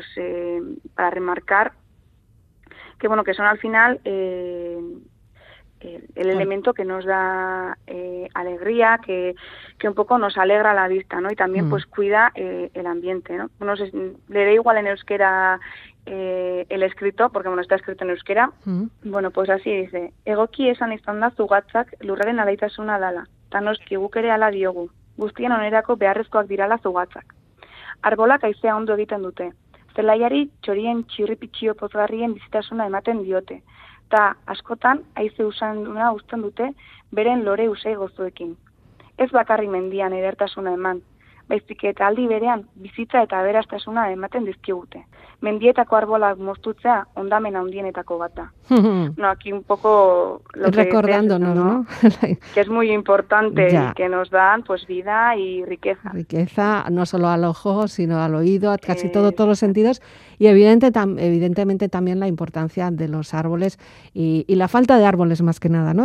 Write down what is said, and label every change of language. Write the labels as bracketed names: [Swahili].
[Spanish] Pues para remarcar que bueno, que son al final el elemento que nos da alegría, que un poco nos alegra la vista, ¿no? Y también pues cuida el ambiente, ¿no? No sé, leeré igual en euskera el escrito, porque bueno, está escrito en euskera. Bueno, pues así dice: [Basque] Egoki esan izan da zugatzak lurraren alaitasuna dala, tanoski guk ere ala diogu, guztien onerako beharrezkoak dirala zugatzak. Arbolak aizea ondo egiten dute, zelaiari txorien txirripitxio pozgarrien bizitasuna ematen diote, eta askotan haize usanduna usten dute beren lore usei gozuekin. Ez bakarri mendian edertasuna eman, baizik eta aldi berean bizitza eta aberastasuna ematen dizkigute. Mendietako arbolak moztutzea ondamen handienetako bat da. [Spanish] No, aquí un poco lo recordándonos, ¿no? Que es muy importante y que nos dan pues vida y riqueza. Riqueza no solo al ojo, sino al oído, a casi todos los sentidos. Y evidentemente también la importancia de los árboles y la falta de árboles más que nada, ¿no?